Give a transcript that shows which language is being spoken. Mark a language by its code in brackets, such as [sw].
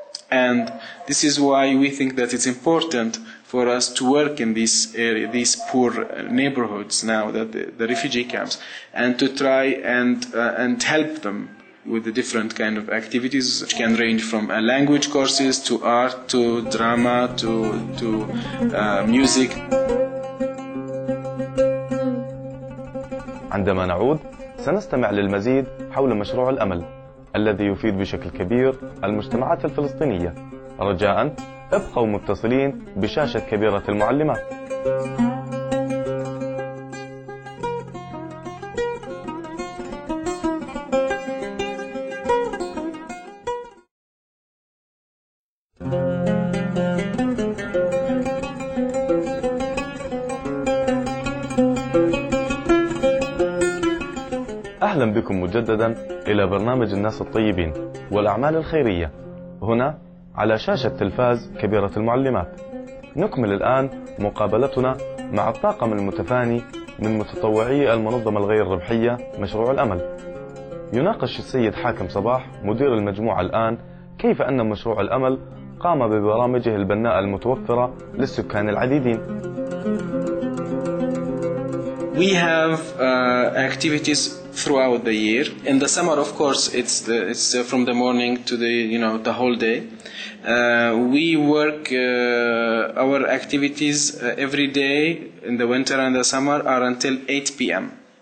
[en] And this is why we think that it's important for us to work in this area, these poor neighborhoods now, that the refugee camps, and to try and help them with the different kind of activities, which can range from language courses to art to drama to music. [ar] عندما نعود سنستمع للمزيد حول مشروع الأمل الذي يفيد بشكل كبير المجتمعات الفلسطينية. رجاء ابقوا متصلين بشاشة كبيرة المعلمة. أهلا بكم مجددا إلى برنامج الناس الطيبين والأعمال الخيرية هنا على شاشة تلفاز كبيرة المعلمات. نكمل الآن مقابلتنا مع الطاقم المتفاني من متطوعي المنظمة الغير ربحية مشروع الأمل. يناقش السيد حاكم صباح مدير المجموعة الآن كيف أن مشروع الأمل قام ببرامجه البناءة المتوفرة للسكان العديدين. [en] We have activities throughout the year. In the summer, of course, it's from the morning to the, you know, the whole day. We work our activities every day in the winter and the summer are until 8 p.m.